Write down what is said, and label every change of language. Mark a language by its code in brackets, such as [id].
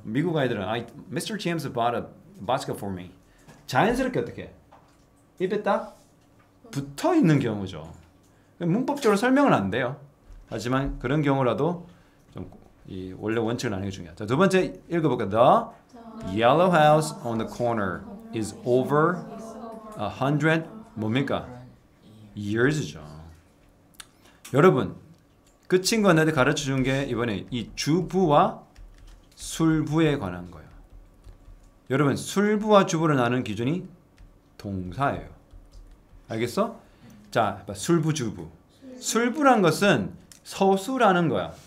[ko] 미국 아이들은 [en] Mr. James bought a basket for me. [ko] 자연스럽게 어떻게? 입에 딱 붙어 있는 경우죠. 문법적으로 설명은 안 돼요. 하지만 그런 경우라도 좀 이 원래 원칙을 나누는 게 중요해요. 자, 두 번째 읽어볼까요? [en] The yellow house on the corner is over 100 [ko] 뭡니까? [en] years죠. [ko] 여러분, 그 친구가 나한테 가르쳐준 게 이번에 이 주부와 술부에 관한 거예요. 여러분, 술부와 주부를 나누는 기준이 동사예요. 알겠어? 자, 술부, 주부. 술부란 것은 서술하는 거야.